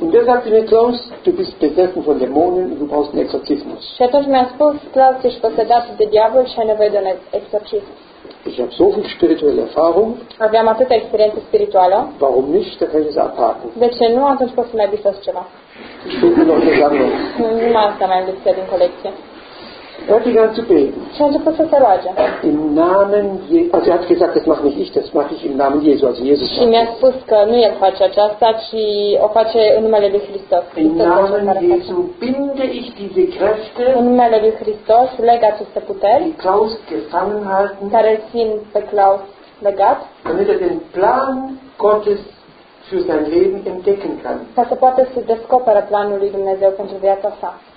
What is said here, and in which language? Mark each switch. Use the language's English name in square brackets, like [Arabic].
[German] Und der sagte mir, Klaus, du bist besessen von Dämonen und du brauchst einen Exorzismus. [Romanian] Și atunci mi-a spus, Klaus, ești posedat de diavol și ai nevoie de un exorcism. [German] Ich habe so viel spirituelle Erfahrung. [Romanian] Aveam atâta experiență spirituală. [German] Warum nicht? Da kann ich es abhaken. [Romanian] De ce nu? Atunci poți să mai bifezi ceva. [German] Ich suche noch eine Sammlung. [Romanian] Nu mai asta mai am lipsit din colecție. [German] Er begann zu beten. Im Namen Jesu. Also er hat gesagt, das mache nicht ich, das mache ich im Namen Jesu, also Jesus. [Romanian] Și mi-a spus că nu el face aceasta, ci o face în numele lui Hristos. [German] Im Namen Jesu binde ich diese Kräfte. [Romanian] În numele lui Hristos leg aceste puteri. [German] Die Klaus gefangen halten. [Romanian] Care țin pe Klaus legat. [German] Damit er den Plan Gottes für sein Leben entdecken kann. [Romanian] Ca să poată să descopere planul lui Dumnezeu pentru viața sa.